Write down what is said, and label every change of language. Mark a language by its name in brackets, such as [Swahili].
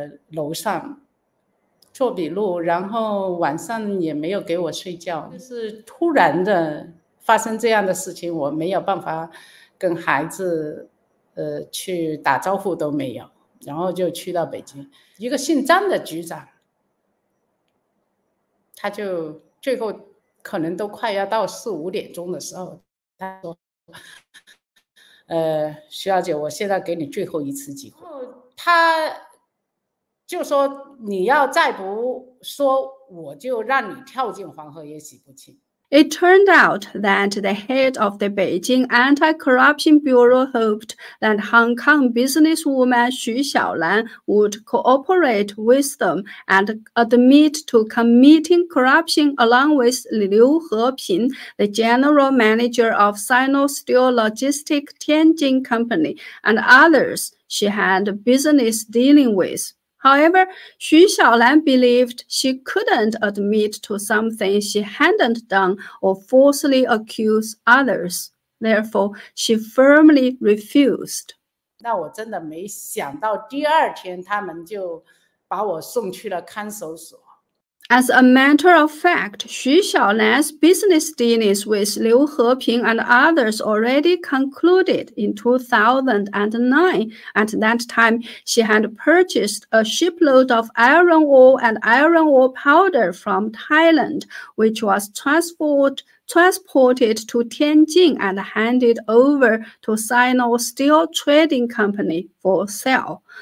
[Chinese] 楼上做笔录，然后晚上也没有给我睡觉，就是突然的发生这样的事情，我没有办法跟孩子去打招呼都没有，然后就去到北京一个姓张的局长，他就最后可能都快要到4-5点钟的时候，他说徐小姐，我现在给你最后一次机会。他就说，你要再不说，我就让你跳进黄河也洗不清。 [English] It turned out that the head of the Beijing Anti-Corruption Bureau hoped that Hong Kong businesswoman Xu Xiaolan would cooperate with them and admit to committing corruption along with Liu Heping, the general manager of Sino-Steel Logistics Tianjin Company, and others she had business dealing with. However, Xu Xiaolan believed she couldn't admit to something she hadn't done or falsely accuse others. Therefore, she firmly refused. [Chinese] 那我真的没想到，第二天他们就把我送去了看守所。 [English] As a matter of fact, Xu Xiaolan's business dealings with Liu Heping and others already concluded in 2009. At that time, she had purchased a shipload of iron ore and iron ore powder from Thailand, which was transported to Tianjin and handed over to Sino-Steel Trading Company for sale.